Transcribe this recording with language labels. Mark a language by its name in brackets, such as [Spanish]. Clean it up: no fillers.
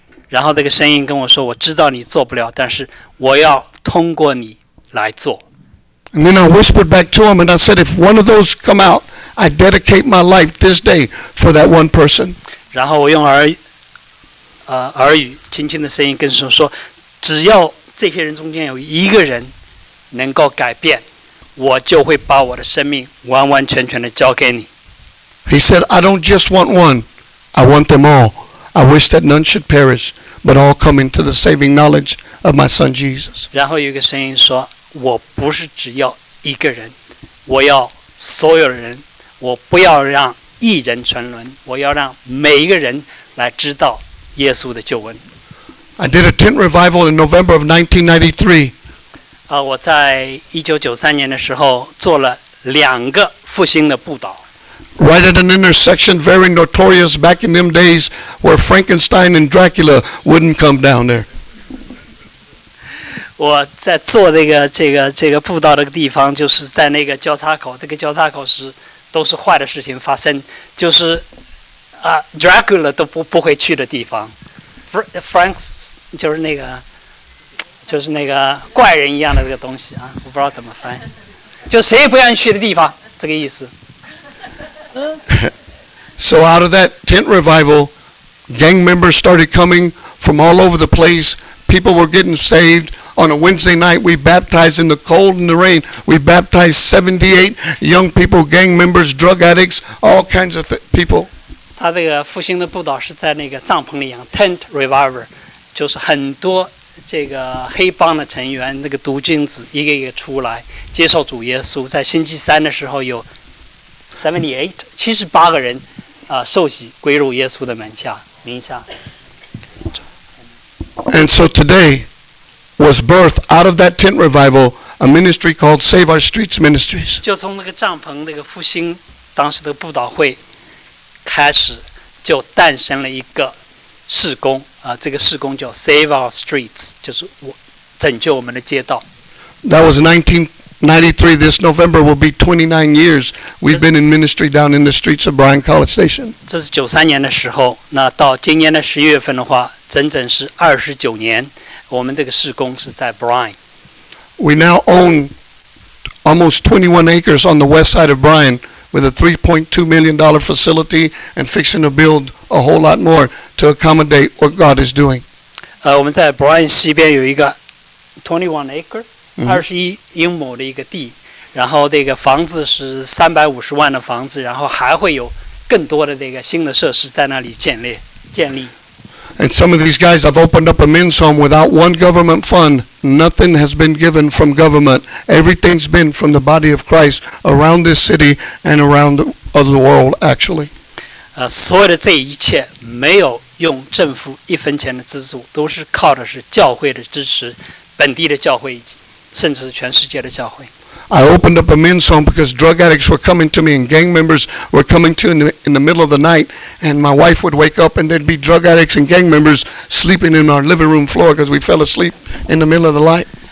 [Chinese] 然后这个声音跟我说，我知道你做不了，但是我要通过你来做。 [English] And then I whispered back to him, and I said, if one of those come out, I dedicate my life this day for that one person. [Chinese] 然后我用耳语轻轻的声音跟神说，只要这些人中间有一个人能够改变，我就会把我的生命完完全全的交给你。 [English] He said, I don't just want one, I want them all. I wish that none should perish, but all come into the saving knowledge of my son Jesus. [Chinese] 然后有一个声音说，我不是只要一个人，我要所有人，我不要让一人沉沦，我要让每一个人来知道耶稣的救恩。 [English] I did a tent revival in November of 1993. [Chinese] 我在1993年的时候做了两个复兴的布道。 [English] Right at an intersection very notorious back in them days where Frankenstein and Dracula wouldn't come down there. [Chinese] 我在做这个布道的地方，就是在那个交叉口，这个交叉口是都是坏的事情发生，就是Dracula 都不会去的地方 ，Frank 就是那个怪人一样的这个东西我不知道怎么翻，就谁也不愿意去的地方，这个意思。 [English] So out of that tent revival, gang members started coming from all over the place. People were getting saved. On a Wednesday night, we baptized in the cold and the rain. We baptized 78 young people, gang members, drug addicts, all kinds of people. [Chinese] 他这个复兴的布道是在那个帐篷里养 [English] tent revival， [Chinese] 就是很多这个黑帮的成员，那个毒君子一个一个出来接受主耶稣。在星期三的时候，有78个人受洗归入耶稣的名下。 [English] And so today. Was birthed out of that tent revival, a ministry called Save Our Streets Ministries. [Chinese] 就从那个帐篷那个复兴当时的布道会开始，就诞生了一个事工这个事工叫 Save Our Streets， 就是拯救我们的街道。 [English] That was 19, 93 this November will be 29 years we've been in ministry down in the streets of Bryan College Station. [Chinese] 这是93年的时候，那到今年的十月份的话，整整是29年，我们这个事工是在 Bryan。 [English] We now own almost 21 acres on the west side of Bryan with a $3.2 million facility and fixing to build a whole lot more to accommodate what God is doing. [Chinese] 我们在 Bryan 西边有一个21 acre。 21英亩的一个地，然后这个房子是350万的房子，然后还会有更多的这个新的设施在那里建立。 [English] And some of these guys have opened up a men's home without one government fund. Nothing has been given from government. Everything's been from the body of Christ around this city and around the world, actually. [Chinese] 所有的这一切没有用政府一分钱的资助，都是靠的是教会的支持，本地的教会以及甚至全世界的教会。 [English] I opened up a men's home because drug addicts were coming to me and gang members were coming to me in the middle of the night and my wife would wake up and there'd be drug addicts and gang members sleeping in our living room floor because we fell asleep in the middle of the night.